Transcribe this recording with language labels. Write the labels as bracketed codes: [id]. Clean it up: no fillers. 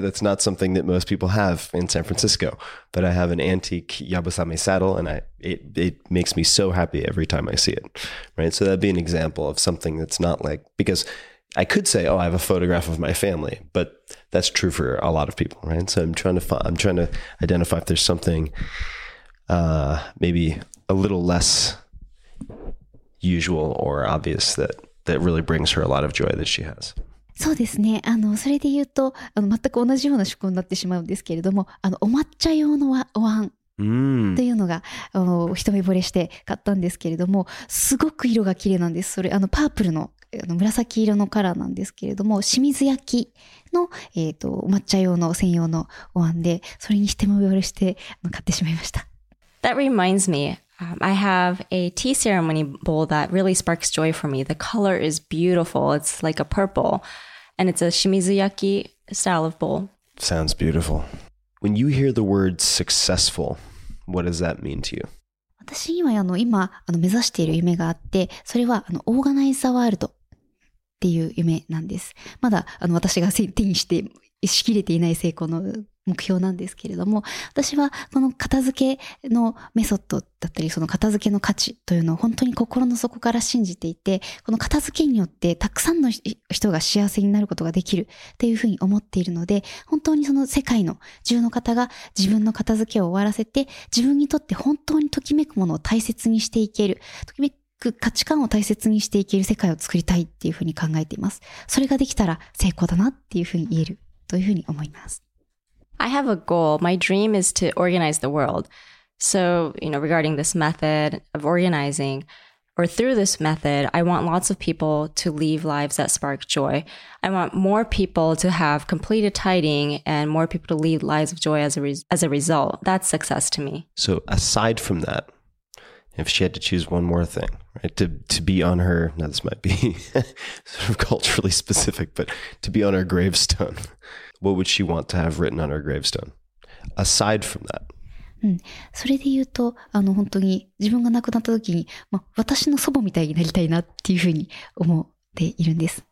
[en] That's not something that most people have in San Francisco. But I have an antique yabusame saddle and it makes me so happy every time I see it, right? So that'd be an example of something that's not like, because I could say, oh, I have a photograph of my family, but that's true for a lot of people, right? So I'm trying to identify if there's something... maybe a little less usual or obvious that really brings her a lot of joy that she has. [ja] そうですね。あのそれで言うと、あの全く同じような思考になってしまうんですけれども、あのお抹茶用のお椀というのが、一目惚れして買ったんですけれども、すごく色が綺麗なんです。それあのパープルの、あの紫色のカラーなんですけれども、清水焼きの、お抹茶用の専用のお椀で、それに一目惚れして買ってしまいました。 [en] That reminds me, I have a tea ceremony bowl that really sparks joy for me. The color is beautiful. It's like a purple. And it's a shimizuyaki style of bowl. Sounds beautiful. When you hear the word successful, what does that mean to you? [ja] 私には今目指している夢があって、それはオーガナイザーワールドっていう夢なんです。まだ私が手にしてしきれていない成功の目標なんですけれども、私はこの片付けのメソッドだったり、その片付けの価値というのを本当に心の底から信じていて、この片付けによってたくさんの人が幸せになることができるっていうふうに思っているので、本当にその世界の中の方が自分の片付けを終わらせて、自分にとって本当にときめくものを大切にしていける、ときめく価値観を大切にしていける世界を作りたいっていうふうに考えています。それができたら成功だなっていうふうに言えるというふうに思います。 [en] I have a goal. My dream is to organize the world. So, you know, regarding this method of organizing, or through this method, I want lots of people to leave lives that spark joy. I want more people to have completed tidying and more people to leave lives of joy as a result. That's success to me. So aside from that, if she had to choose one more thing, right, to be on her, now this might be sort of culturally specific, but to be on her gravestone, what would she want to have written on her gravestone? Aside from that. [ja] それで言うと、本当に自分が亡くなった時に、私の祖母みたいになりたいなっていうふうに思っているんです。